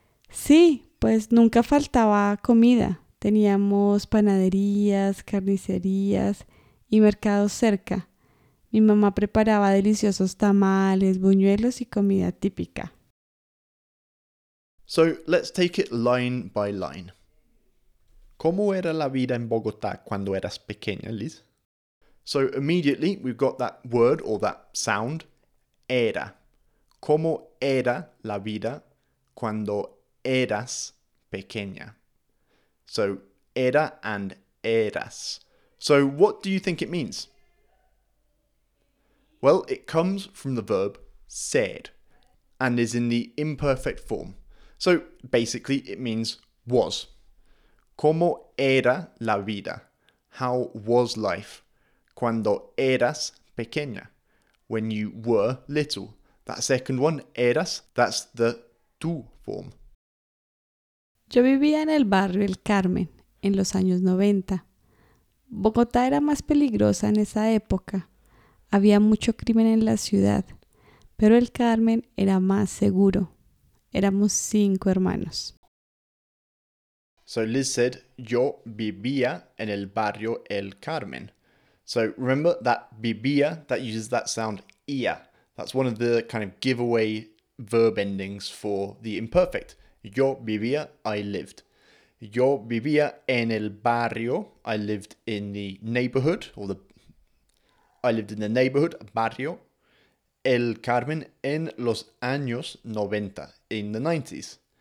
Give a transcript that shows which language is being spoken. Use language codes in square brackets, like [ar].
[es] Sí, pues nunca faltaba comida. Teníamos panaderías, carnicerías y mercados cerca. Mi mamá preparaba deliciosos tamales, buñuelos y comida típica. [en] So, let's take it line by line. [es] ¿Cómo era la vida en Bogotá cuando eras pequeña, Liz? [en] So, immediately we've got that word or that sound, era. [es] ¿Cómo era la vida cuando eras pequeña? [en] So, era and eras. So, what do you think it means? Well, it comes from the verb ser and is in the imperfect form. So, basically, it means was. [es] ¿Cómo era la vida? [en] How was life? [es] Cuando eras pequeña. [en] When you were little. That second one, eras, that's the tú form. [es] Yo vivía en el barrio El Carmen, en los años 90. Bogotá era más peligrosa en esa época. Había mucho crimen en la ciudad, pero El Carmen era más seguro. Éramos 5 hermanos. [en] So Liz said, [es] yo vivía en el barrio El Carmen. [en] So remember that vivía, that uses that sound, ia. That's one of the kind of giveaway verb endings for the imperfect. [es] Yo vivía, [en] I lived. [es] Yo vivía en el barrio, [en] I lived in the neighborhood, I lived in the neighborhood, [es] barrio, El Carmen, en los años 90, [en] in the 90s.